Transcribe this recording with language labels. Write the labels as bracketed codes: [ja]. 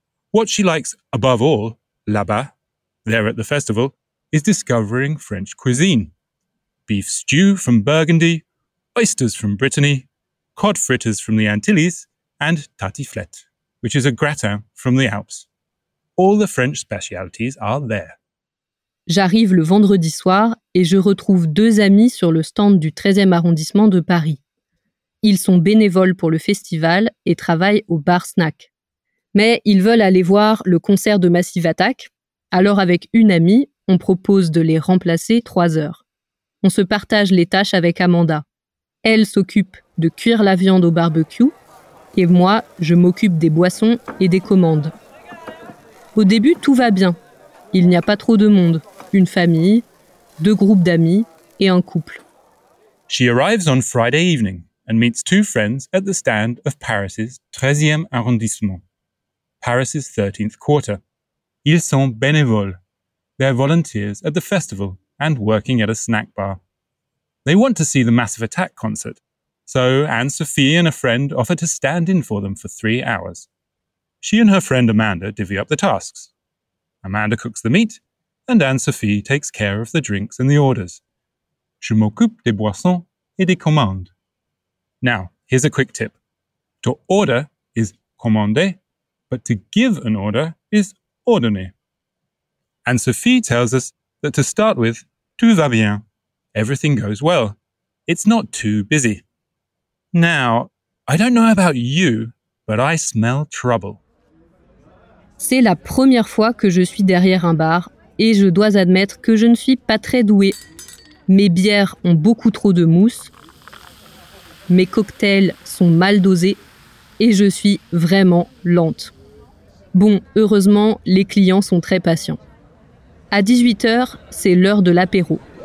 [en] What she likes above all, là-bas, there at the festival, is discovering French cuisine. Beef stew from Burgundy, oysters from Brittany, cod fritters from the Antilles, and tartiflette, which is a gratin from the Alps. All the French specialties are there. [fr] J'arrive le vendredi soir et je retrouve deux amis sur le stand du 13e arrondissement de Paris. Ils sont bénévoles pour le festival et travaillent au bar snack. Mais ils veulent aller voir le concert de Massive Attack. Alors avec une amie, on propose de les remplacer 3 heures. On se partage les tâches avec Amanda. Elle s'occupe de cuire la viande au barbecue et moi, je m'occupe des boissons et des commandes. Au début, tout va bien. Il n'y a pas trop de monde. Une famille, 2 groupes d'amis et un couple. [en] She arrives on Friday evening and meets 2 friends at the stand of Paris's 13e arrondissement, Paris's 13th quarter. [fr] Ils sont bénévoles. [en] They're volunteers at the festival and working at a snack bar. They want to see the Massive Attack concert, so Anne-Sophie and a friend offer to stand in for them for 3 hours. She and her friend Amanda divvy up the tasks. Amanda cooks the meat, and Anne-Sophie takes care of the drinks and the orders. [fr] Je m'occupe des boissons et des commandes. [en] Now, here's a quick tip. To order is commander, but to give an order is ordonner. And Sophie tells us that to start with, [fr] tout va bien, [en] everything goes well. It's not too busy. Now, I don't know about you, but I smell trouble. [fr] C'est la première fois que je suis derrière un bar et je dois admettre que je ne suis pas très douée. Mes bières ont beaucoup trop de mousse, mes cocktails sont mal dosés et je suis vraiment lente. Bon, heureusement, les clients sont très patients. À 18h, c'est l'heure de l'apéro.